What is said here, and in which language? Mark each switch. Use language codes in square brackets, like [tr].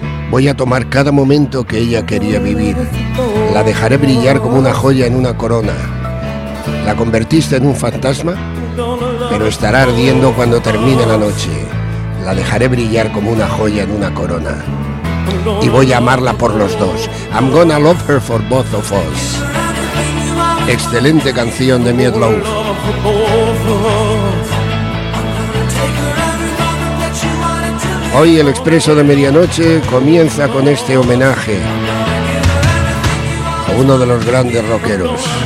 [es] Voy a tomar cada momento que ella quería vivir. La dejaré brillar como una joya en una corona. La convertiste en un fantasma, pero estará ardiendo cuando termine la noche. La dejaré brillar como una joya en una corona. Y voy a amarla por los dos. [en] I'm gonna love her for both of us. [es] Excelente canción de Meatloaf. Hoy el Expreso de Medianoche comienza con este homenaje a uno de los grandes rockeros.